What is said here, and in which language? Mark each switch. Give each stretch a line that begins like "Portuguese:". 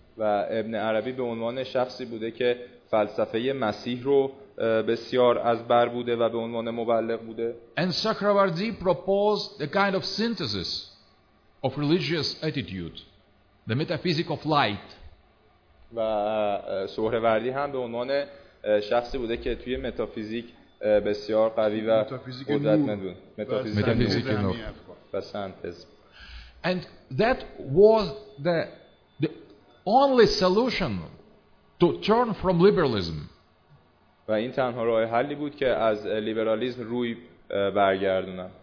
Persian: و ابن عربی به عنوان شخصی بوده که فلسفه مسیح رو بسیار از بر بوده و به عنوان مبلغ بوده.
English: And Sakravardi proposed the kind of synthesis of religious attitude, the metaphysic of light.
Persian: و سهروردی هم به عنوان شخصی بوده که توی متافیزیک بسیار قوی و قدرتمند بود. متافیزیک نور. بسنتز.
English: And that was the only solution to turn from liberalism.
Persian: و این تنها راه حلی بود که از لیبرالیسم روی برگردونم.